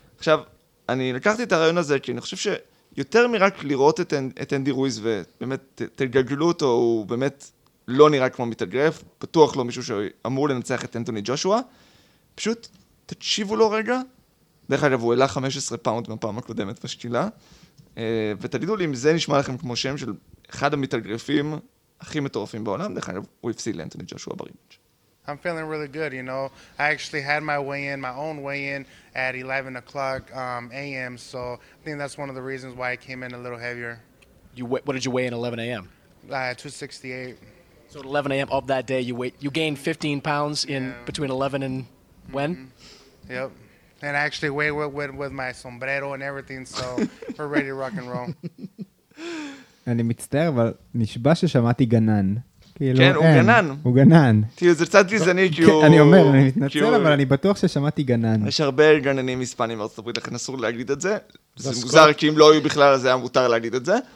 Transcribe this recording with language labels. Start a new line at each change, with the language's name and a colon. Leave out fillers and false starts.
Hebrew: עכשיו, אני לקחתי את הרעיון הזה, כי אני חושב שיותר מרק לראות את אנדי רואיז ובאמת תגגלו אותו, הוא באמת לא נראה כמו מתאגרף, פתוח לו מישהו שאמור לנצח את אנטוני ג'ושוע, פשוט תקשיבו לו רגע, דרך אגב הוא העלה 15 פאונד מהפעם הקודמת בשקילה, ותגידו לי אם זה נשמע לכם כמו שם של אחד המתאגרפים הכי מטורפים בעולם, דרך אגב הוא הפסיד לאנטוני ג'ושוע ברימאץ'.
English: I'm feeling really good, you know. I actually had my weigh-in, my own weigh-in, at 11 o'clock a.m., so I think that's one of the reasons why I came in a little heavier. What did you weigh in 11 a.m.? 268. So at 11 a.m. of that day, you gained 15 pounds in between 11 and when? Mm-hmm. Yep. And I actually weighed with my sombrero and everything, so we're ready to rock and roll.
Hebrew: אני מצטער, אבל נשבע ששמעתי גנן. כן, הוא גנן. הוא גנן. תראו, זה קצת גזעני, כי הוא... אני אומר, אני מתנצל, אבל אני בטוח ששמעתי גנן. יש הרבה גננים היספנים בארצות הברית, לכן אסור להגיד את זה. זה מוזר, כי אם לא היו בכלל, אז היה מותר להגיד את זה.